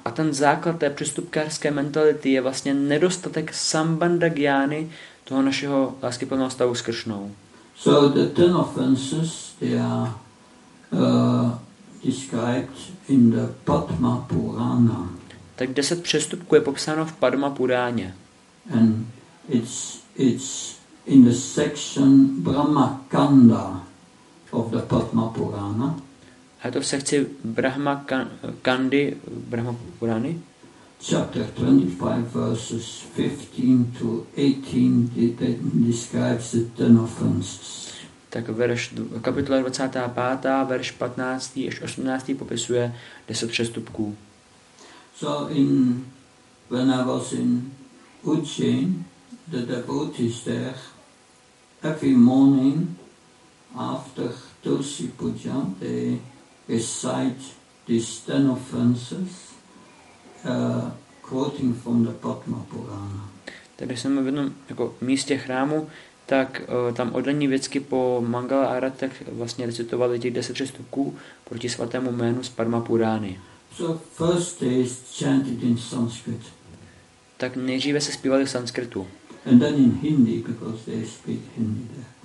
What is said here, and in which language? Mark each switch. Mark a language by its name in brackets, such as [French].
[Czech] A ten základ té přestupkářské mentality je vlastně nedostatek sambandha gyány, toho našeho láskyplného stavu s Kršnou. [English] So the ten offenses, they are described in the Padma Purana. [Czech] Tak 10 přestupků je popsáno v Padma Puráně. [English] And it's in the section Brahma Kanda of the Padma Purana. [Czech] A je to v sekci Brahma Kandy, Brahma Purány? [English] Chapter 25, verses 15 to 18, describes the ten offenses. [Czech] Tak verš, kapitola 25, verš 15 až 18 popisuje 10 přestupků. [English] So in, when I was in Ujjain, the devotees there, every morning after Tulsi Puja, they recite these 10 offenses, quoting from the Padma Purana. [Czech] Tady jsem v jednom jako místě chrámu, tak tam odlení vědcky po Mangala Aratek vlastně recitovali těch 10 přestupků proti svatému jménu z Padma Purány. [English] So first day is chanted in Sanskrit. [Czech] Tak nejdříve se zpívali v sanskritu. [English] And then in Hindi, because they speak Hindi there.